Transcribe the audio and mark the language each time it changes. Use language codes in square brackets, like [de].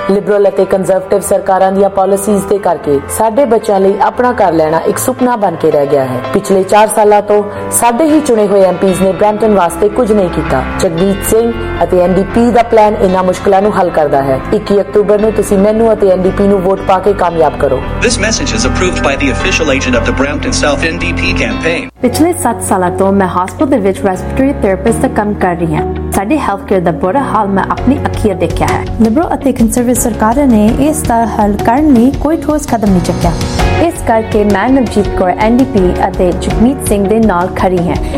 [pa] Liberal ਅਤੇ conservative ਸਰਕਾਰਾਂ ਦੀਆਂ ਪਾਲਿਸੀਜ਼ ਦੇ ਕਰਕੇ ਸਾਡੇ ਬੱਚਿਆਂ ਲਈ ਆਪਣਾ ਘਰ ਲੈਣਾ ਇੱਕ ਸੁਪਨਾ ਬਣ ਕੇ ਰਹਿ ਗਿਆ ਹੈ। ਪਿਛਲੇ 4 ਸਾਲਾਂ ਤੋਂ ਸਾਡੇ ਹੀ ਚੁਣੇ ਹੋਏ MPs ਨੇ ਬ੍ਰੈਂਪਟਨ ਵਾਸਤੇ ਕੁਝ ਨਹੀਂ ਕੀਤਾ। ਜਗਦੀਪ ਸਿੰਘ ਅਤੇ NDP ਦਾ ਪਲਾਨ ਇਹਨਾਂ ਮੁਸ਼ਕਲਾਂ ਨੂੰ ਹੱਲ ਕਰਦਾ ਹੈ। 21 ਅਕਤੂਬਰ ਨੂੰ ਤੁਸੀਂ ਮੈਨੂੰ ਅਤੇ NDP ਨੂੰ ਵੋਟ ਪਾ ਕੇ ਕਾਮਯਾਬ ਕਰੋ। [en] This message is approved by the official agent of the Brampton South NDP campaign. [pa] ਪਿਛਲੇ 7 ਸਾਲਾਂ ਤੋਂ ਮੈਂ ਹਸਪਤਾਲ ਦੇ ਵਿੱਚ ਰੈਸਪੀਟਰੀ ਥੈਰੇਪਿਸਟ ਦਾ ਕੰਮ ਕਰ ਰਹੀ ਹਾਂ। ਸਾਡੇ ਹੈਲਥ ਕੇਅਰ ਦਾ ਬੁਰਾ ਹਾਲ ਮੈਂ ਆਪਣੀ ਅੱਖੀਆਂ ਦੇਖਿਆ ਹੈ। ਲਿਬਰਲ ਅਤੇ ਕੰਜ਼ਰਵੇਟਿਵ ਸਰਕਾਰਾਂ ਨੇ ਇਸ ਦਾ ਹੱਲ ਕਰਨ ਲਈ ਕੋਈ ਠੋਸ ਕਦਮ ਨਹੀਂ ਚੁੱਕਿਆ। ਇਸ ਕਰਕੇ ਮੈਂ ਨਵਜੀਤ ਕੌਰ NDP ਅਤੇ ਜਗਮੀਤ ਸਿੰਘ ਦੇ ਨਾਲ ਖੜੀ ਹੈ।